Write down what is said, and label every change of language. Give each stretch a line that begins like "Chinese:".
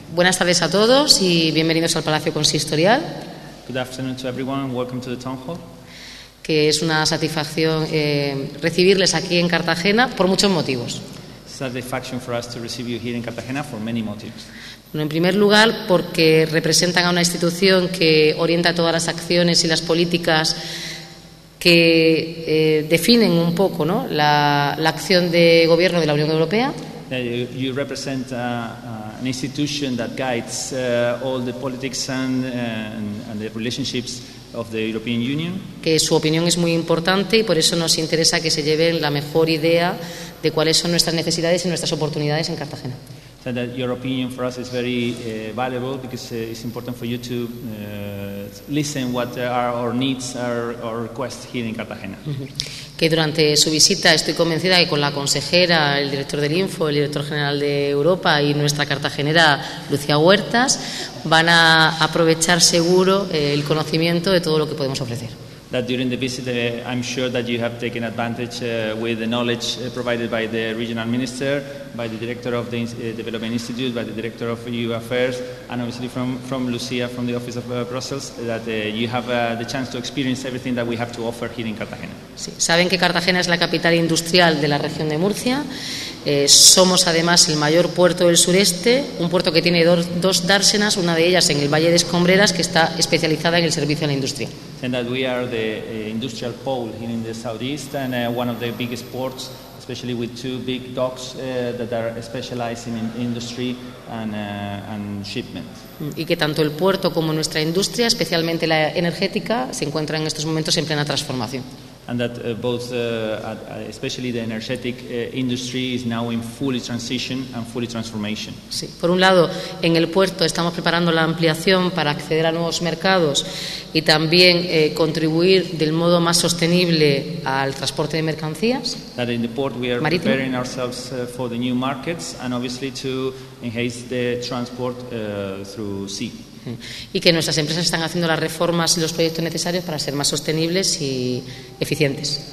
Spanish: Buenas tardes a todos y bienvenidos al Palacio Consistorial.
English: Good afternoon to everyone and welcome to the town hall.
Spanish: Que es una satisfacción recibirles aquí en Cartagena por muchos motivos.
English: Satisfaction for us to receive you here in Cartagena for many motives.
Spanish: Bueno, en primer lugar, porque representan a una institución que orienta todas las acciones y las políticas que definen un poco, ¿no?, la acción de gobierno de la Unión Europea.
English: You represent an institution that guides all the politics and the relationships of the European Union.
Spanish: Que su opinión es muy importante y por eso nos interesa que se lleven la mejor idea de cuáles son nuestras necesidades y nuestras oportunidades en Cartagena.
English: So that your opinion for us is very valuable because it's important for you to listen what are our needs, our requests here in Cartagena.
Spanish: Que durante su visita estoy convencida que con la consejera, el director del Info, el director general de Europa y nuestra cartagenera Lucía Huertas van a aprovechar seguro el conocimiento de todo lo que podemos ofrecer.
English: That during the visit, I'm sure that you have taken advantage with the knowledge provided by the regional minister, by the director of the Development Institute, by the director of EU Affairs, and obviously from Lucia, from the office of Brussels, that you have the chance to experience everything that we have to offer here in Cartagena.
Spanish: Sí. Saben que Cartagena es la capital industrial de la región de Murcia. Somos además el mayor puerto del sureste, un puerto que tiene dos dársenas, una de ellas en el Valle de Escombreras, que está especializada en el servicio a la industria.
English: And that we are the industrial pole here in the southeast and one of the biggest ports, especially with two big docks that are specializing in industry and shipment.
Spanish: Y que tanto el puerto como nuestra industria, especialmente la energética, se encuentran en estos momentos en plena transformación.
English: And that both, especially the energetic industry, is now in fully transition and fully transformation.
Spanish: Sí. Por un lado, en el puerto estamos preparando la ampliación para acceder a nuevos mercados y también contribuir del modo más sostenible al transporte de mercancías.
English: That in the port we are marítimo. Preparing ourselves for the new markets and obviously to enhance the transport through sea.
Spanish: Y que nuestras empresas están haciendo las reformas y los proyectos necesarios para ser más sostenibles y eficientes.